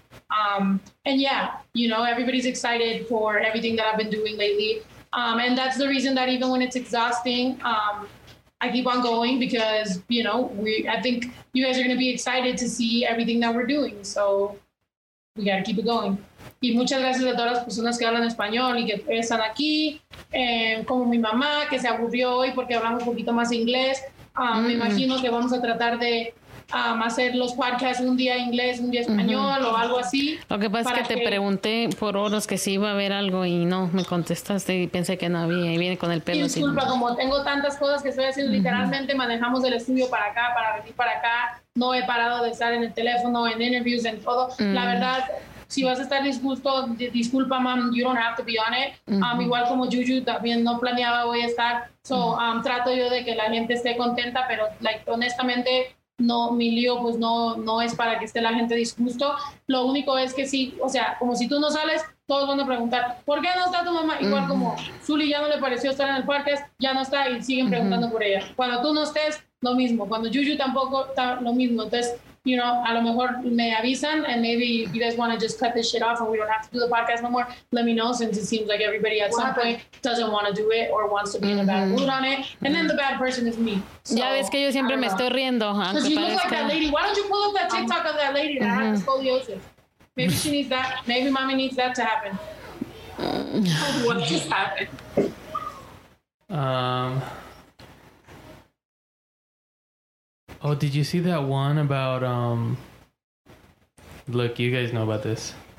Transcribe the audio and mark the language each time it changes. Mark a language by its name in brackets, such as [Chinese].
[English] And yeah, you know, everybody's excited for everything that I've been doing lately. And that's the reason that even when it's exhausting, I keep on going because, you know, I think you guys are going to be excited to see everything that we're doing. So we got to keep it going. [Spanish] Y muchas gracias a todas las personas que hablan español y que están aquí, como mi mamá, que se aburrió hoy porque hablamos un poquito más inglés. Me imagino que vamos a tratar de hacer los podcasts un día inglés, un día español o algo así. Lo que pasa es que te pregunté por horas que si iba a haber algo y no, me contestaste y pensé que no había y viene con el pelo. Disculpa, como tengo tantas cosas que estoy haciendo, literalmente manejamos el estudio para acá, para venir para acá. No he parado de estar en el teléfono, en interviews, en todo. La verdad... Si vas a estar disgusto, disculpa, mam, [English] you don't have to be on it. [Spanish] Igual como Juju, también no planeaba hoy estar. So, trato yo de que la gente esté contenta, pero, like, honestamente, no, mi lío, pues, no es para que esté la gente disgusto. Lo único es que sí, o sea, como si tú no sales, todos van a preguntar, ¿por qué no está tu mamá? Igual como Zuli ya no le pareció estar en el parque, ya no está y siguen preguntando por ella. Cuando tú no estés, lo mismo. Cuando Juju tampoco está, lo mismo. Entonces, [English] you know, [Spanish] a lo mejor me avisan, [English] and maybe you guys want to just cut this shit off and we don't have to do the podcast no more, let me know, since it seems like everybody at some point doesn't want to do it or wants to be in a bad mood on it. And then the bad person is me. [Spanish] So, ya ves que yo siempre me estoy riendo, huh? [English] Because you look like that lady. Why don't you pull up that TikTok of that lady that has scoliosis? Maybe she needs that. Maybe mommy needs that to happen. What just happened? Oh, did you see that one about, look, you guys know about this.